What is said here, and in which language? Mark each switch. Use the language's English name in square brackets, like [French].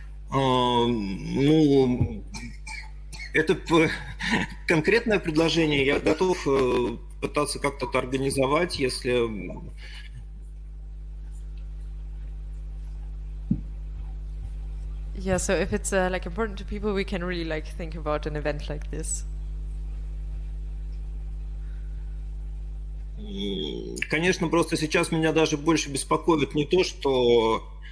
[Russian] Ну, это конкретное предложение. Я готов пытаться как-то это организовать, если... [English] Yeah, so if it's like important to people, we can really like think about an event like this. [Russian] Конечно, просто сейчас меня даже больше беспокоит не то, что...